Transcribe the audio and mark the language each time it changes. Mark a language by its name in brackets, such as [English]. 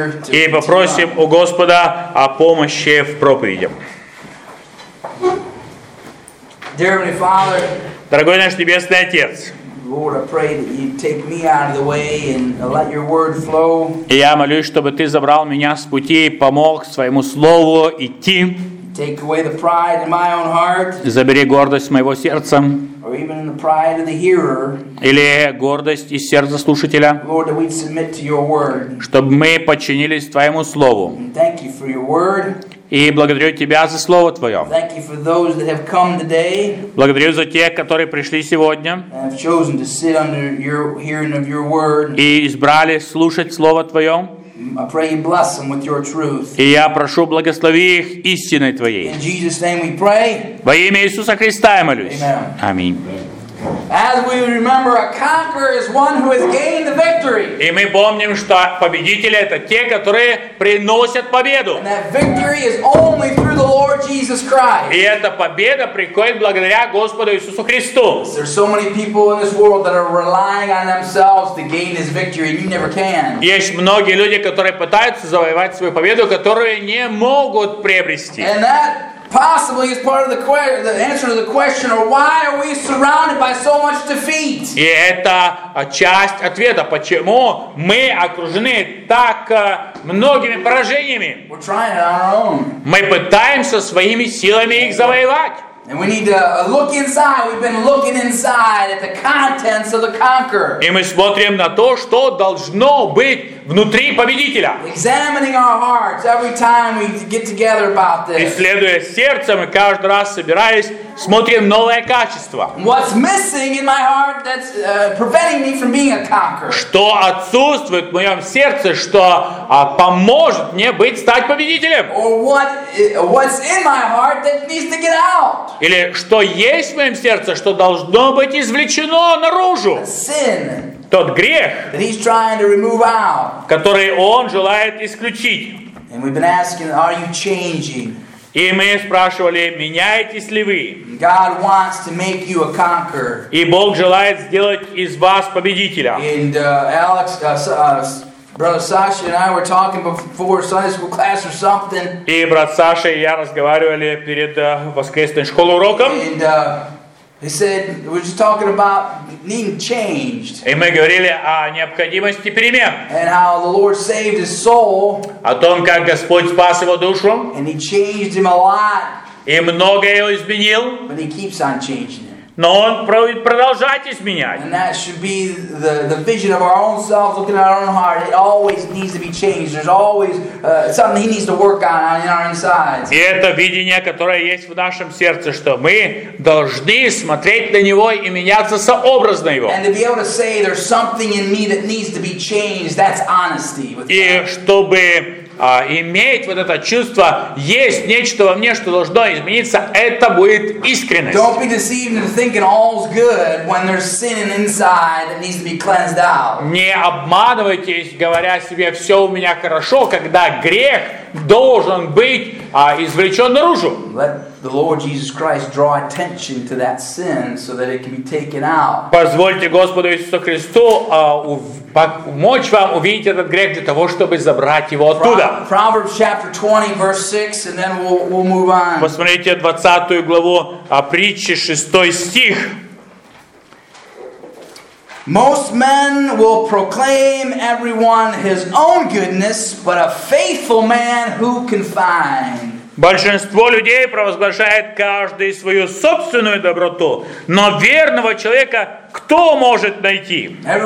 [Russian] И попросим у Господа о помощи в проповеди. Дорогой наш Небесный Отец, [English] Lord, I pray that you take me out of the way and let your word flow. [Russian] Я молюсь, чтобы ты забрал меня с пути и помог своему слову идти. [English] Take away the pride in my own heart. [Russian] Забери гордость моего сердца. [English] Or even the pride of the hearer. [Russian] Или гордость из сердца слушателя. [English] Lord, that we submit to your word. [Russian] Чтобы мы подчинились твоему слову. [English] Thank you for your word. [Russian] И благодарю Тебя за Слово Твое. [English] Thank you for those that have come today. [Russian] Благодарю за тех, которые пришли сегодня. [English] And have chosen to sit under your hearing of your word. [Russian] И избрали слушать Слово Твое. [English] I pray you bless them with your truth. [Russian] И я прошу, благослови их истиной Твоей. [English] In Jesus' name we pray. [Russian] Во имя Иисуса Христа я молюсь. [English] Amen. [Russian] Аминь. [English] As we remember, a conqueror is one who has gained the victory. [Russian] И мы помним, что победители это те, которые приносят победу. [English] And that victory is only through the Lord Jesus Christ. [Russian] И эта победа приходит благодаря Господу Иисусу Христу. [English] There's so many people in this world that are relying on themselves to gain this victory, and you never can. [Russian] Есть многие люди, которые пытаются завоевать свою победу, которую не могут приобрести. [English] And that possibly is part of the answer to the question of why are we surrounded by so much defeat? [Russian] И это часть ответа, почему мы окружены так многими поражениями. [English] We're trying it on our own. [Russian] Мы пытаемся своими силами их завоевать. [English] And we need to look inside. We've been looking inside at the contents of the conqueror. [Russian] И мы смотрим на то, что должно быть внутри победителя. [English] Examining our hearts every time we get together about this. [Russian] Исследуя сердце, мы каждый раз собираясь, смотрим новое качество. [English] What's missing in my heart that's preventing me from being a conqueror? [Russian] Что отсутствует в моем сердце, что поможет мне быть стать победителем? [English] Or what's in my heart that needs to get out? [Russian] Или что есть в моем сердце, что должно быть извлечено наружу? [English] Sin, [Russian] тот грех, [English] that he's trying to remove out. [Russian] Который он желает исключить. [English] And we've been asking, are you changing? [Russian] И мы спрашивали, меняетесь ли вы? [English] God wants to make you a conqueror. [Russian] И Бог желает сделать из вас победителя. [English] And Alex, brother Sasha and I were talking before Sunday school class or something. [Russian] И брат Саша и я разговаривали перед воскресной школой уроком. [English] And he said we're just talking about needing changed. [Russian] И мы говорили о необходимости перемен. [English] And how the Lord saved his soul. [Russian] О том, как Господь спас его душу. [English] And he changed him a lot. [Russian] И многое изменил. [English] But he keeps on changing him. [Russian] Но он продолжает изменять. [English] And that should be the vision of our own selves, looking at our own heart. It always needs to be changed. There's always something he needs to work on in our insides. [Russian] И это видение, которое есть в нашем сердце, что мы должны смотреть на него и меняться сообразно его. [English] And to be able to say there's something in me that needs to be changed. That's honesty. [Russian] И чтобы иметь вот это чувство, есть нечто во мне, что должно измениться, это будет искренность. [English] Don't be deceived into thinking all's good when there's sin inside that needs to be cleansed out. [Russian] Не обманывайтесь, говоря себе, все у меня хорошо, когда грех должен быть извлечен наружу. [English] Let the Lord Jesus Christ draw attention to that sin so that it can be taken out. [Russian] Позвольте Господу Иисусу Христу помочь вам увидеть этот грех для того, чтобы забрать его оттуда. [English] Proverbs chapter 20, verse 6, and then we'll move on. [Russian] Посмотрите 20 главу притчи, 6 стих. [English] Most men will proclaim everyone his own goodness, but a faithful man who can find. [Russian] Большинство людей провозглашает каждый свою собственную доброту, но верного человека кто может найти?